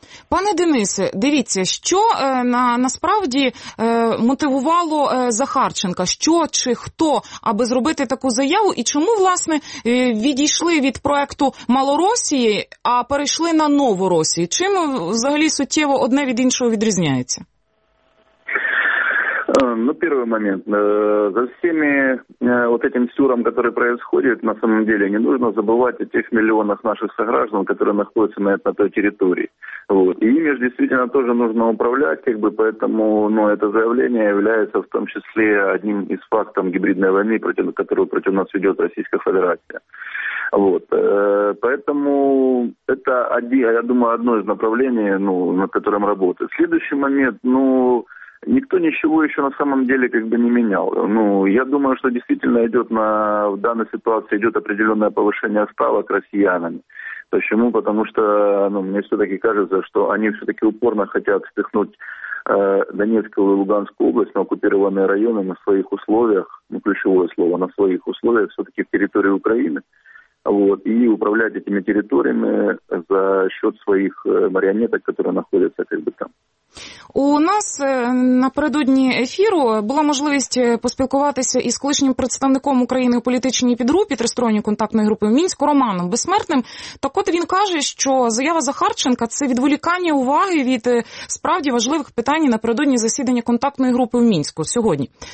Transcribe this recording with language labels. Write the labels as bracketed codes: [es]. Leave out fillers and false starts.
[uk] Пане Денисе, дивіться, що насправді мотивувало Захарченка? Що чи хто, аби зробити таку заяву? І чому, власне, відійшли від проекту Малоросії, а перейшли на Новоросію? Чим взагалі суттєво одне від іншого відрізняється? [ru] Ну, первый момент. За всеми вот этим сюром, который происходит, на самом деле, не нужно забывать о тех миллионах наших сограждан, которые находятся на той территории. Вот. И ими же действительно тоже нужно управлять, как бы, поэтому ну, это заявление является в том числе одним из фактов гибридной войны, которую против нас ведет Российская Федерация. Вот. Поэтому это, я думаю, одно из направлений, ну, над которым работает. Следующий момент, ну, никто ничего еще на самом деле как бы не менял. Ну, я думаю, что действительно в данной ситуации идет определенное повышение ставок россиянами. Почему? Потому что ну, мне все-таки кажется, что они все-таки упорно хотят впихнуть Донецкую и Луганскую область на оккупированные районы на своих условиях, ну, ключевое слово, на своих условиях все-таки в территории Украины. Вот, и управлять этими территориями за счет своих марионеток, которые находятся как бы там. [uk] У нас напередодні ефіру була можливість поспілкуватися із колишнім представником України у політичній підгрупі тристоронньої контактної групи в Мінську Романом Безсмертним. Так от він каже, що заява Захарченка – це відволікання уваги від справді важливих питань напередодні засідання контактної групи в Мінську сьогодні.